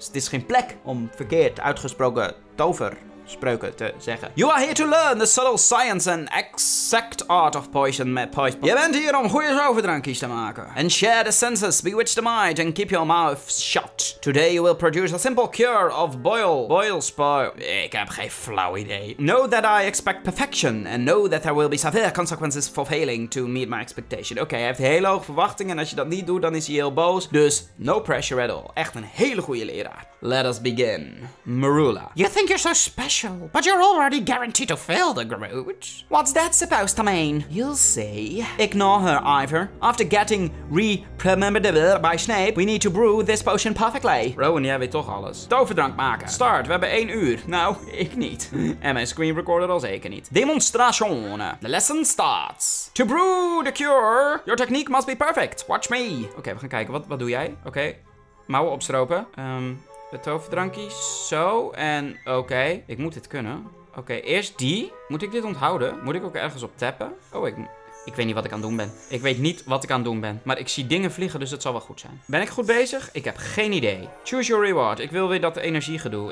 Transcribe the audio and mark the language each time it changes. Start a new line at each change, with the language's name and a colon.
Dutch: Het is geen plek om verkeerd uitgesproken tover spreuken te zeggen.
English: You are here to learn the subtle science and exact art of poison met poison.
Dutch: Je bent hier om goede toverdrankjes te maken.
English: And share the senses, bewitch the mind and keep your mouth shut. Today you will produce a simple cure of boil.
Dutch: Ik heb geen flauw idee.
English: Know that I expect perfection and know that there will be severe consequences for failing to meet my expectation.
Dutch: Oké, hij heeft hele hoge verwachtingen en als je dat niet doet dan is hij heel boos. Dus
English: no pressure at all.
Dutch: Echt een hele goede leraar.
English: Let us begin. Marula. You think you're so special, but you're already guaranteed to fail the Groot. What's that supposed to mean? You'll see. Ignore her, Ivar. After getting re-remembered by Snape, we need to brew this potion perfectly.
Dutch: Rowan, jij weet toch alles. Toverdrank maken. Start, we hebben 1 uur. Nou, ik niet. En mijn screen recorder al zeker niet.
English: Demonstratione. The lesson starts. To brew the cure, your technique must be perfect. Watch me.
Dutch: Oké, we gaan kijken. Wat doe jij? Oké. Mouwen opstropen. De toverdrankjes, zo, en oké, ik moet dit kunnen. Oké, eerst die. Moet ik dit onthouden? Moet ik ook ergens op tappen? Ik weet niet wat ik aan het doen ben. Ik weet niet wat ik aan het doen ben. Maar ik zie dingen vliegen, dus het zal wel goed zijn. Ben ik goed bezig? Ik heb geen idee.
English: Choose your reward.
Dutch: Ik wil weer dat energiegedoe.